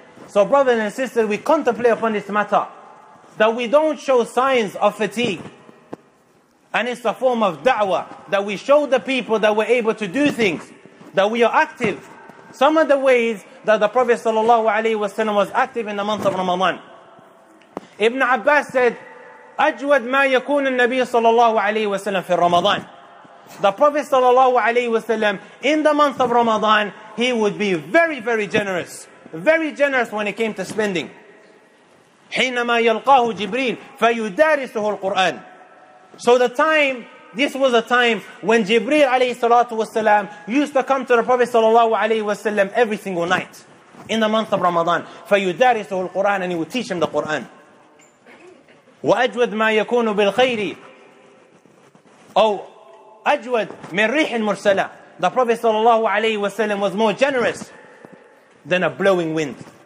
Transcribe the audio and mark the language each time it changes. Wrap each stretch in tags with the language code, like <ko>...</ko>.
<en>So brothers and sisters, we contemplate upon this matter, that we don't show signs of fatigue. And it's a form of da'wah, that we show the people that we're able to do things, that we are active. Some of the ways that the Prophet sallallahu alaihi wasallam was active in the month of Ramadan. Ibn Abbas said,</en> <ar>أجود ما يكون النبي صلى الله عليه وسلم في رمضان.</ar> <en>The Prophet sallallahu alaihi wasallam in the month of Ramadan, he would be very, very generous. Very generous when it came to spending.</en> <ar>حينما يلقاه جبريل فيدارسه القرآن.</ar> <en>So the time, this was a time when Jibreel alayhi salatu wasalam used to come to the Prophet sallallahu alayhi wasalam every single night in the month of Ramadan.</en> <ar>فَيُدَارِسُهُ الْقُرْآنَ.</ar> <en>And he would teach him the Quran.</en> <ar>وَأَجْوَدْ مَا يَكُونُ بِالْخَيْرِ أو أَجْوَدْ مِنْ رِيحِ الْمُرْسَلَةِ.</ar> <en>The Prophet sallallahu alayhi wasalam was more generous than a blowing wind.</en>